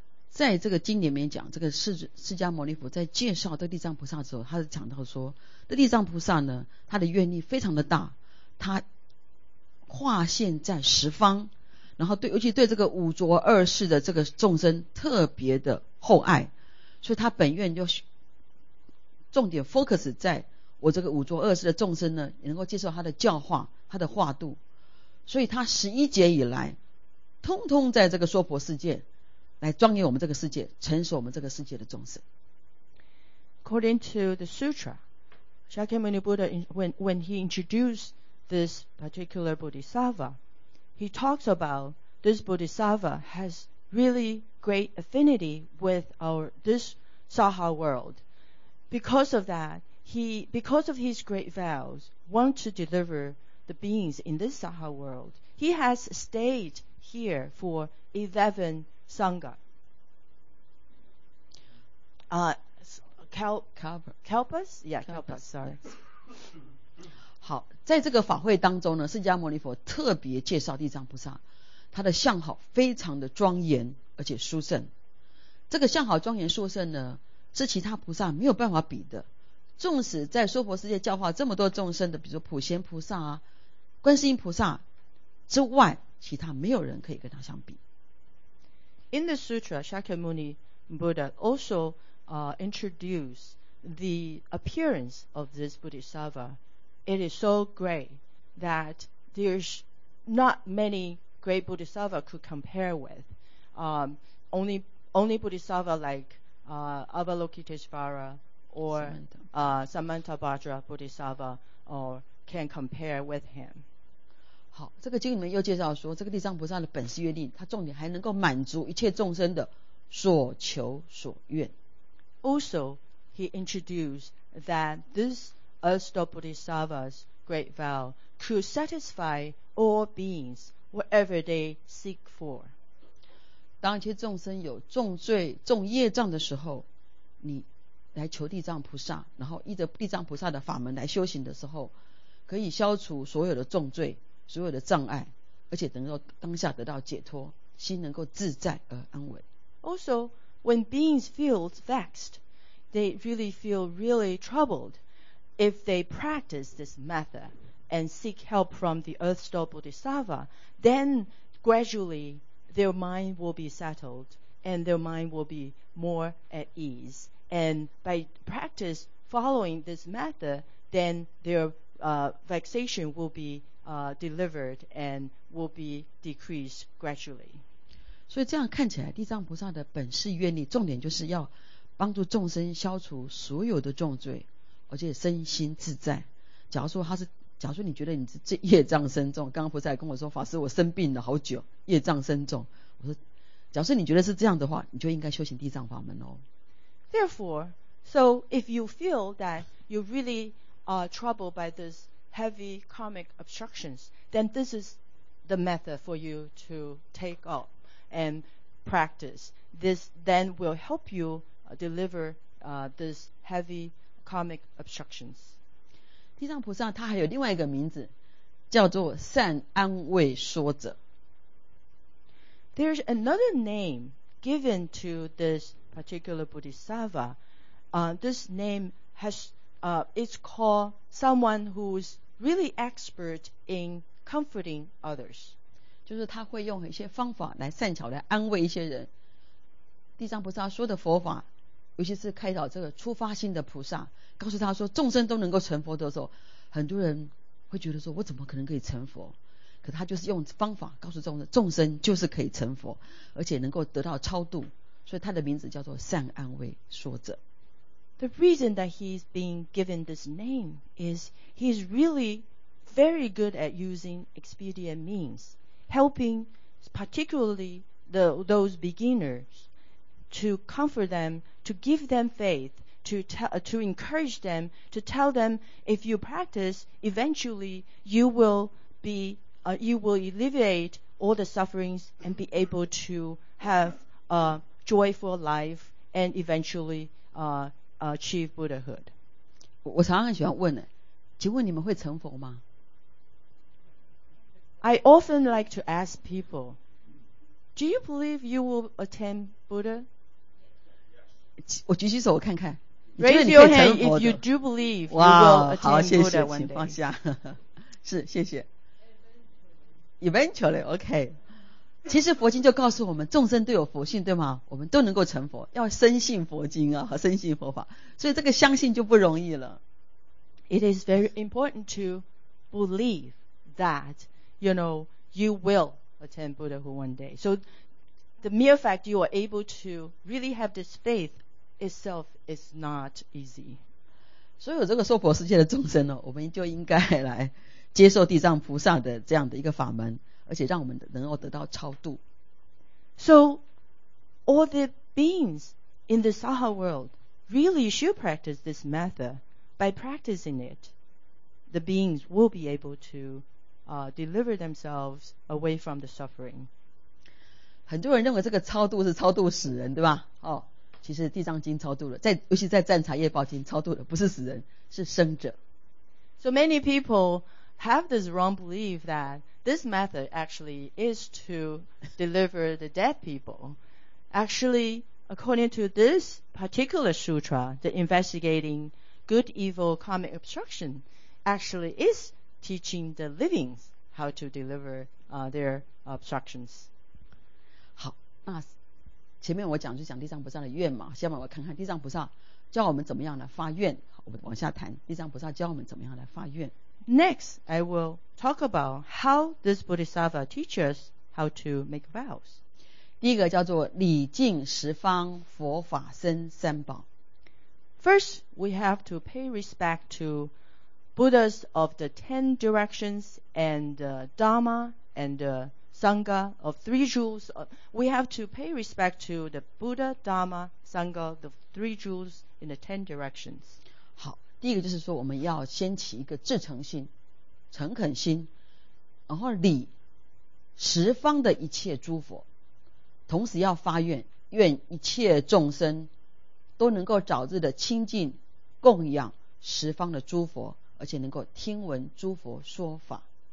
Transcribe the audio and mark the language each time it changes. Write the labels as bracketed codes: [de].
[zh] 在这个经里面讲，这个释迦牟尼佛在介绍这个地藏菩萨的时候，他是讲到说，这地藏菩萨呢，他的愿力非常的大，他化现在十方，然后对尤其对这个五浊二世的这个众生特别的厚爱，所以他本愿就重点 focus 在。我这个五浊二世的众生呢，也能够接受他的教化，他的化度，所以他十一劫以来，通通在这个娑婆世界，来庄严我们这个世界，成熟我们这个世界的众生。 [en] According to the sutra, Shakyamuni Buddha, when he introduced this particular bodhisattva, he talks about this bodhisattva has really great affinity with this Saha world. Because of that,because of his great vows, want to deliver the beings in this Saha world, he has stayed here for 11 Sangha. Kalpas? Yeah, Kalpas, sorry. [zh] 好，在这个法会当中呢，释迦牟尼佛特别介绍地藏菩萨，他的相好非常的庄严而且殊胜。这个相好庄严殊胜呢，是其他菩萨没有办法比的。纵使在娑婆世界教化这么多众生的，比如说普贤菩萨啊、观世音菩萨之外，其他没有人可以跟他相比。 [en] In the sutra, Shakyamuni Buddha also introduced the appearance of this bodhisattva. It is so great that there's not many great bodhisattva could compare with. Only bodhisattva like Avalokiteshvara. Or Samantabhadra Bodhisattva or can compare with him. [zh] 好，这个经里面又介绍说，这个地藏菩萨的本事愿力，他重点还能够满足一切众生的所求所愿。 [en] Also, he introduced that this Erstal Bodhisattva's great vow could satisfy all beings whatever they seek for. [zh] 当一切众生有重罪、重业障的时候，你来求地藏菩萨，然后依着地藏菩萨的法门来修行的时候，可以消除所有的重罪、所有的障碍，而且能够当下得到解脱，心能够自在而安稳。 [en] Also, when beings feel vexed, they really feel really troubled. If they practice this method and seek help from the Erstal Bodhisattva, then gradually their mind will be settled and their mind will be more at ease. And by practice following this method, then their vexation will be delivered and will be decreased gradually. [zh] 所以这样看起来，地藏菩萨的本事愿力重点就是要帮助众生消除所有的重罪，而且身心自在。假如说你觉得你这业障深重，刚刚菩萨跟我说，法师我生病了好久，业障深重。我说，假如说你觉得是这样的话，你就应该修行地藏法门哦。 [en] Therefore, so if you feel that you really are troubled by this heavy karmic obstructions, then this is the method for you to take up and practice. This then will help you deliver this heavy karmic obstructions. [zh] 地藏菩萨他还有另外一个名字，叫做善安慰说者。 [en] There's another name given to this. Particular bodhisattva, this name has it's called someone who is really expert in comforting others. [zh] 就是他会用一些方法来善巧来安慰一些人。地藏菩萨说的佛法尤其是开导这个出发心的菩萨，告诉他说众生都能够成佛的时候，很多人会觉得说我怎么可能可以成佛，可他就是用方法告诉众生，众生就是可以成佛，而且能够得到超度，所以他的名字叫做善安慰说者。 [en] The reason that he's being given this name is he's really very good at using expedient means, helping particularly those beginners to comfort them, to give them faith, to encourage them, to tell them if you practice, eventually you will be you will alleviate all the sufferings and be able to have a joyful life and eventually achieve Buddhahood. [zh] 我常常喜欢问，请问你们会成佛吗？ [en] I often like to ask people, do you believe you will attain Buddha? [zh] 我举起手我看看。 [en] Raise your hand if you do believe you will attain Buddha one day. [zh] 请放下。是，谢谢。 [en] Eventually, OK. [zh] 其实佛经就告诉我们，众生都有佛性，对吗？我们都能够成佛，要深信佛经啊，深信佛法。所以这个相信就不容易了。 [en] It is very important to believe that, you know, you will attain Buddhahood one day. So the mere fact you are able to really have this faith itself is not easy. [zh] 所有这个娑婆世界的众生呢，我们就应该来接受地藏菩萨的这样的一个法门，而且让我们能够得到超度。 [en] So all the beings in the Saha world really should practice this method. By practicing it, the beings will be able to deliver themselves away from the suffering. [zh] 很多人认为这个超度是超度死人，对吧？哦，其实地藏经超度了，在尤其在赞财业报经超度的不是死人，是生者。 [en] So many people have this wrong belief that this method actually is to deliver the dead people. Actually, according to this particular sutra, the investigating good, evil, karmic obstruction actually is teaching the living how to deliver their obstructions. [zh] 好，那前面我讲就讲地藏菩萨的愿嘛，下面我看看地藏菩萨教我们怎么样来发愿。我们往下谈地藏菩萨教我们怎么样来发愿。 [en] Next, I will talk about how this Bodhisattva teaches how to make vows. [zh] 第一个叫做礼敬十方佛法僧三宝。 [en] First, we have to pay respect to Buddhas of the Ten Directions and Dharma and Sangha of Three Jewels. We have to pay respect to the Buddha, Dharma, Sangha, the Three Jewels in the Ten Directions. [zh] 好，第一个就是说我们要先起一个至诚心，诚恳心，然后礼十方的一切诸佛，同时要发愿，愿一切众生都能够早日的亲近供养十方的诸佛，而且能够听闻诸佛说法。